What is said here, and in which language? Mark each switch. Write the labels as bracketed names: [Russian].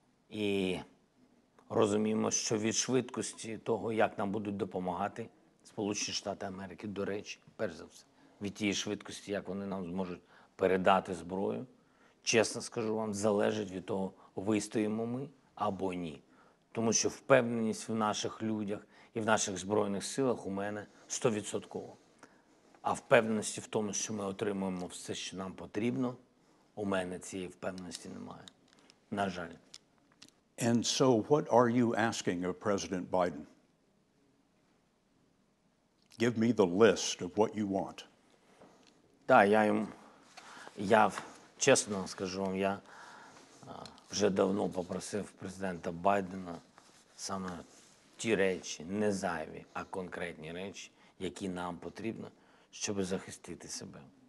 [Ukrainian] І розуміємо, що від швидкості того, як нам будуть допомагати Сполучені Штати Америки, до речі, перш за все, від тієї швидкості, як вони нам зможуть передати зброю, чесно скажу вам, залежить від того, вистоїмо ми або ні. Тому що впевненість в наших людях і в наших Збройних силах у мене 100%. А впевненості в тому, що ми отримуємо все, що нам потрібно, у мене цієї впевненості немає. На жаль. [English] And so what are you asking of President Biden? Give me the list of what you want. [Ukrainian] Так, я чесно скажу вам, я вже давно попросив президента Байдена саме ті речі, не зайві, а конкретні речі, які нам потрібно, щоб захистити себе.